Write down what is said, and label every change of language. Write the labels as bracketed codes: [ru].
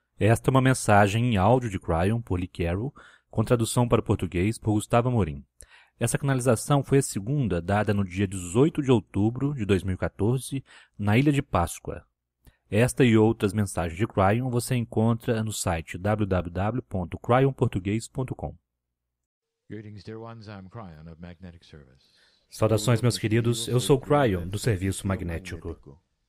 [pt] Esta é uma mensagem em áudio de Kryon, por Lee Carroll, com tradução para português por Gustavo Amorim. Essa canalização foi a segunda dada no dia 18 de outubro de 2014, na Ilha de Páscoa. Esta e outras mensagens de Kryon você encontra no site www.kryonportugues.com. [en] Greetings, dear ones, I'm Kryon of Magnetic Service. [pt] Saudações, meus queridos, eu sou Kryon, do Serviço Magnético.